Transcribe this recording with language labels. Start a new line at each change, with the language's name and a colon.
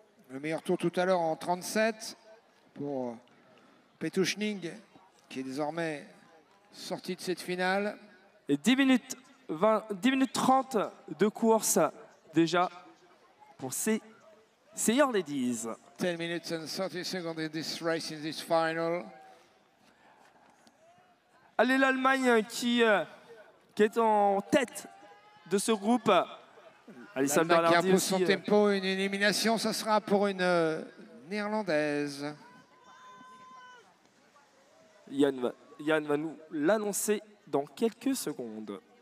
French: Le meilleur tour tout à l'heure en 37 pour Petuchning, qui est désormais sorti de cette finale. Et 10 minutes 30 de course déjà pour ces Senior Ladies.
English: 10 minutes and 30 seconds in this race, in this final.
French: Allez, l'Allemagne qui est en tête de ce groupe. Alison Bernardi qui impose son tempo, une élimination, ça sera pour une Néerlandaise. Yann va nous l'annoncer dans quelques secondes.